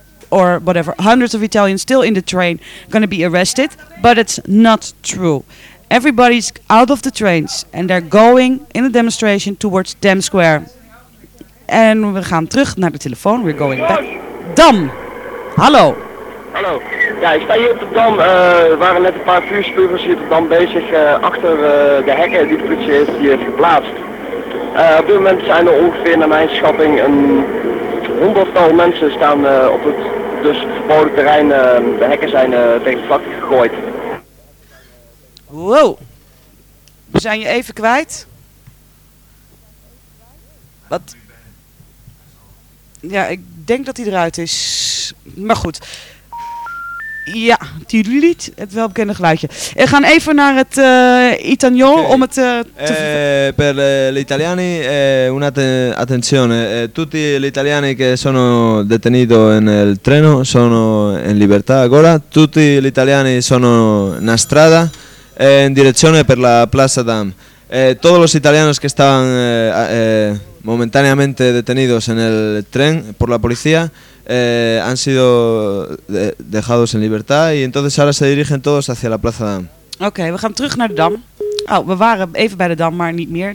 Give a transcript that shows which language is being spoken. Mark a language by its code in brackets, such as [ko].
[en] or whatever, hundreds of Italians still in the train going to be arrested, but it's not true. Everybody's out of the trains and they're going in a demonstration towards Dam Square. [nl] And we gaan terug naar de telefoon, [en] we're going back. [nl] Dam! Hallo! Hallo, ja, ik sta hier op de Dam. Er waren net een paar vuurspuwers hier op de Dam bezig achter de hekken die de politie heeft geplaatst. Op dit moment zijn er ongeveer, naar mijn schatting, een honderdtal mensen staan op het dus verboden terrein. De hekken zijn tegen het vlak gegooid. Wow. We zijn je even kwijt. Wat? Ja, ik denk dat hij eruit is. Maar goed. Ja, tiriliet, het welbekende geluidje. We gaan even naar het Italiaan om het te... [it] Per gli italiani, attenzione. Tutti gli italiani che sono detenuti nel treno sono in libertà ancora. Tutti gli italiani sono in strada in direzione per la Plaza Dam. [es] Todos los italianos que estaban momentáneamente detenidos en el tren por la policía han sido dejados en libertad y entonces ahora se dirigen todos hacia la Plaza Dam. [nl] Oké, we gaan terug naar de Dam. Oh, we waren even bij de Dam, maar niet meer.